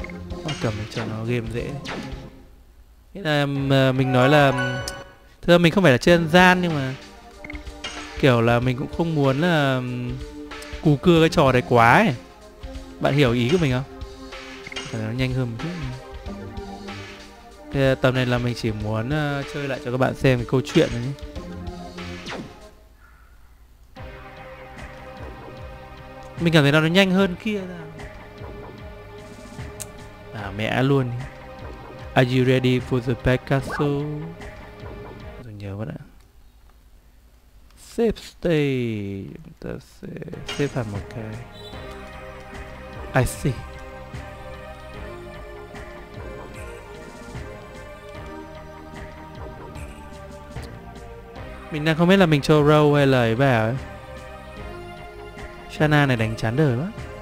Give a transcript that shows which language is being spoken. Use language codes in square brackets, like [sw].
[vi] Không cầm cho nó game dễ. Thế là mình nói là thực ra mình không phải là chân gian nhưng mà kiểu là mình cũng không muốn là cù cưa cái trò đấy quá ấy. Bạn hiểu ý của mình không? Phải nó nhanh hơn một chút. Thế tầm này là mình chỉ muốn chơi lại cho các bạn xem cái câu chuyện đấy. Mình cảm thấy nó nhanh hơn kia ra. À mẹ luôn. [en] Are you ready for the back castle? [vi] Tôi nhớ vẫn ạ. [en] Safe stay. [vi] Chúng ta sẽ xếp hẳn một cái. [en] I see. [vi] Mình đang không biết là mình cho Row hay là ấy bảo ấy. Shanna này đánh chán đời quá.